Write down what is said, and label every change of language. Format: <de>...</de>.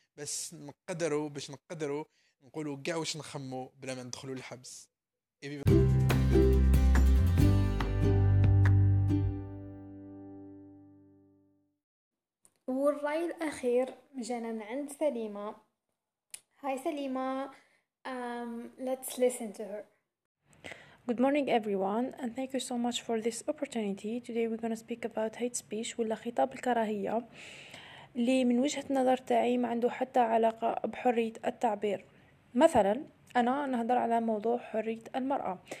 <ar>بس نقدروا باش نقدروا نقولوا كاع واش نخمو بلا ما ندخلوا للحبس. والرأي الأخير جانا من عند سليمة. هاي سليمة,</ar> <en>let's listen to her. Good morning everyone and thank you so much for this opportunity. Today we're going to speak about hate speech,</en> <ar>ولا خطاب الكراهية اللي من وجهة نظر تاعي ما عنده حتى علاقة بحرية التعبير. مثلا أنا نهضر على موضوع حرية المرأة.</ar>